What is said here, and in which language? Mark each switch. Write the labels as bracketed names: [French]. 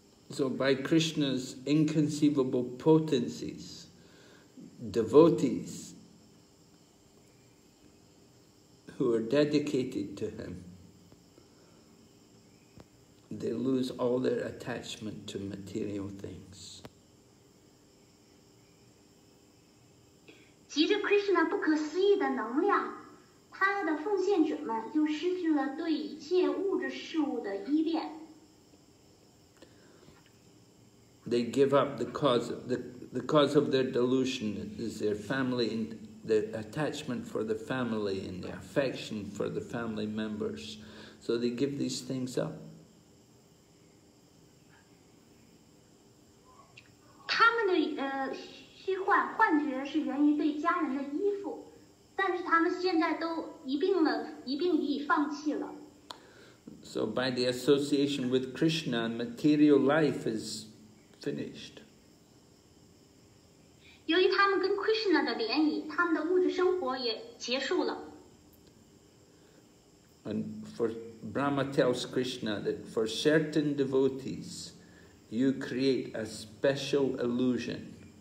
[English] So by Krishna's inconceivable potencies, devotees who are dedicated to him, they lose all their attachment to material things. [Chinese] 即着 Krishna 不可思议的能量，他的奉献者们就失去了对一切物质事物的依恋。 [English] They give up the cause of their delusion is their family and the attachment for the family and the affection for the family members. So they give these things up. [Chinese] 他们的虚幻幻觉是源于对家人的依附，但是他们现在都一并了，一并已放弃了。 [English] So by the association with Krishna, material life is finished. [Chinese] 由于他们跟 Krishna 的联谊，他们的物质生活也结束了。 [English] And for Brahma tells Krishna that for certain devotees, you create a special illusion.